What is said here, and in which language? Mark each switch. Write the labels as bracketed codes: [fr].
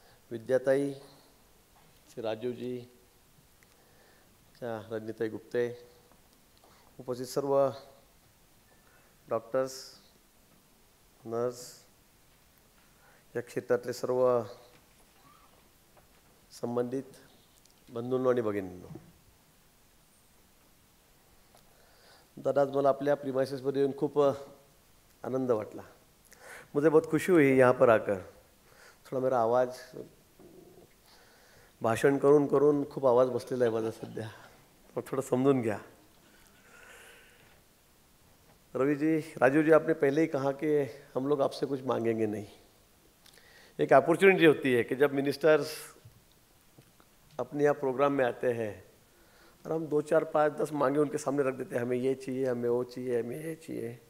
[mr] विद्याताई श्री राजीव जी रजनीताई गुप्ते उपस्थित सर्व doctors nurse या क्षेत्रातले सर्व संबंधित बंधूंनो आणि भगिनींनो दादाज मला आपल्या प्रिमायसेसमध्ये येऊन खूप आनंद वाटला. [hi] मुझे बहुत खुशी हुई यहाँ पर आकर. थोड़ा मेरा आवाज [mr] भाषण करून करून खूप आवाज बसलेला आहे माझा सध्या. थोड़ा समझून घ्या. [hi] रवि जी राजू जी आपने पहले ही कहा कि हम लोग आपसे कुछ मांगेंगे नहीं. एक अपॉर्चुनिटी होती है कि जब मिनिस्टर्स अपने यहाँ प्रोग्राम में आते हैं और हम दो चार पाँच दस मांगे उनके सामने रख देते हैं, हमें ये चाहिए, हमें वो चाहिए, हमें ये चाहिए.